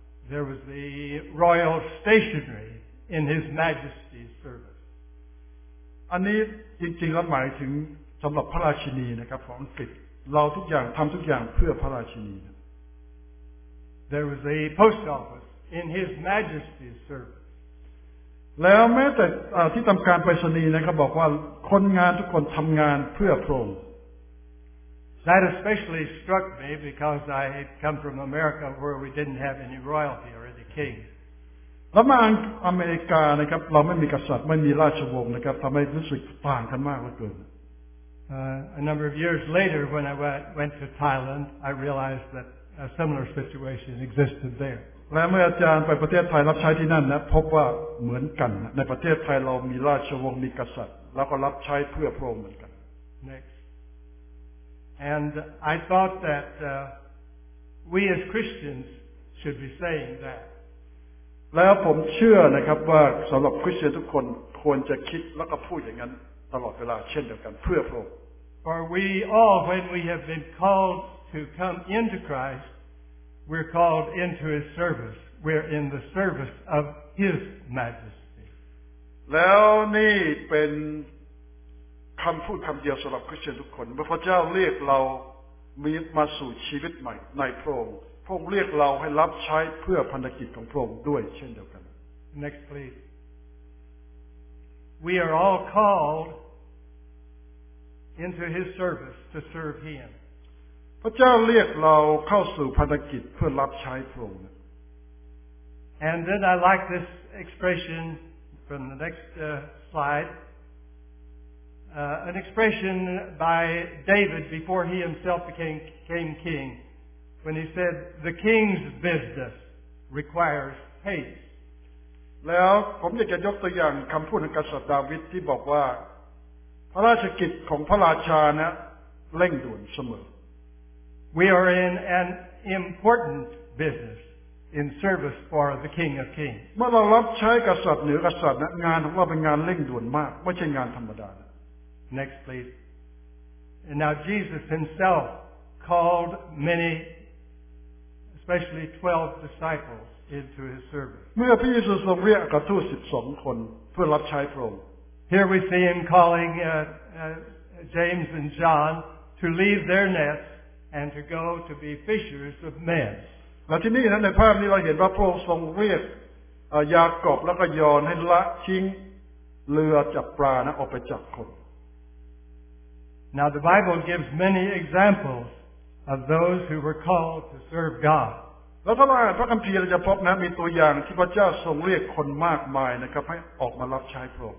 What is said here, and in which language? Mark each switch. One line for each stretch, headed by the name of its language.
English: There was the royal stationery in His Majesty's service.
Thai: อันนี้จริงๆแล้วหมายถึงสำหรับพระราชินีนะครับของอังกฤษเราทุกอย่างทำทุกอย่างเพื่อพระราชินี
English: There was a post office in His Majesty's service
Thai: แล้วแม้แต่ที่ทำการไปรษณีย์นะครับบอกว่าคนงานทุกคนทำงานเพื่อพระองค์
English: That especially struck me because I had come from America where we didn't have any royalty or any king.
Thai: แล้วมาอเมริกานะครับเราไม่มีกษัตริย์ไม่มีราชวงศ์นะครับทำให้รู้สึกต่างกันมากเหลือเกิน
English: A number of years later when I went to Thailand I realized that a similar situation existed there
Thai: และเมื่ออาจารย์ไปประเทศไทยรับใช้ที่นั่นนะพบว่าเหมือนกันในประเทศไทยเรามีราชวงศ์มีกษัตริย์แล้วก็รับใช้เพื่อพระองค์เหมือนกัน
English: Next And I thought that we as Christians should be saying that
Thai: แล้วผมเชื่อนะครับว่าสำหรับคริสเตียนทุกคนควรจะคิดแล้วก็พูดอย่างนั้นตลอดเวลาเช่นเดียวกันเพื่อพระองค์
English: For we all when we have been called to come into Christ we're called into His service we're in the service of His Majesty
Thai: แล้วนี่เป็นคำพูดคำเดียวสำหรับคริสเตียนทุกคนเมื่อพระเจ้าเรียกเรามีมาสู่ชีวิตใหม่ในพระองค์พระองค์เรียกเราให้รับใช้เพื่อพันธกิจของพระองค์ด้วยเช่นเดียวกัน
English: Next please We are all called into His service to serve Him.
Thai: พระเจ้าเรียกเราเข้าสู่ภารกิจเพื่อรับใช้พระองค์
English: And then I like this expression from the next slide. An expression by David before he himself became king, when he said, "The king's business requires haste."
Thai: แล้วผมอยากจะยกตัวอย่างคำพูดของกษัตริย์ดาวิดที่บอกว่าพระราชกิจของพระราชานะเร่งด่วนเสม
English: อ We are in an important business in service for the King of Kings.
Thai: เมื่อเรารับใช้กษัตริย์เหนือกษัตริย์นะงานของเราเป็นงานเร่งด่วนมากไม่ใช่งานธรรมดานะ
English: Next please. And now Jesus himself called many, especially 12 disciples. Into his service.
Thai: เมื่อพระเยซูทรงเรียกอัครทูต 12 คนเพื่อรับใช้พระองค์
English: Here we see him calling James and John to leave their nets and to go to be fishers of men.
Thai: และที่นี่นั้นในภาพนี้เราเห็นว่าพระองค์ทรงเรียกยากอบแล้วก็ยอนให้ละทิ้งเรือจับปลานะออกไปจับคน
English: Now the Bible gives many examples of those who were called to serve God.
Thai: แล้วถ้าเราพระคัมภีร์เราจะพบนะมีตัวอย่างที่พระเจ้าทรงเรียกคนมากมายนะครับให้ออกมารับใช้พระองค